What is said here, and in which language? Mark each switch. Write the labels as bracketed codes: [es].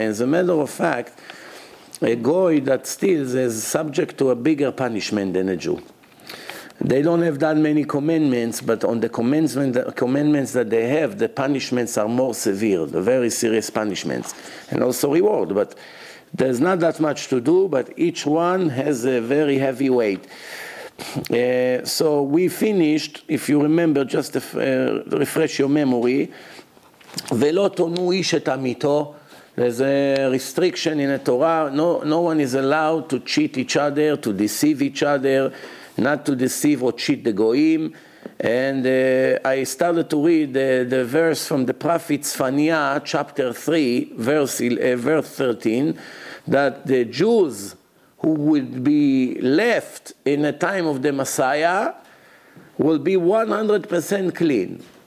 [en] And as a matter of fact, a goy that steals is subject to a bigger punishment than a Jew. They don't have that many commandments, but on the commandments that they have, the punishments are more severe, the very serious punishments, and also reward. But there's not that much to do, but each one has a very heavy weight. So we finished, if you remember, just to refresh your memory, [he] ולא תונו איש את עמיתו. [en] There's a restriction in the Torah. No one is allowed to cheat each other, to deceive each other, not to deceive or cheat the goyim. And I started to read the verse from the prophet Zephaniah, chapter 3, verse 13, that the Jews who would be left in the time of the Messiah will be 100% clean.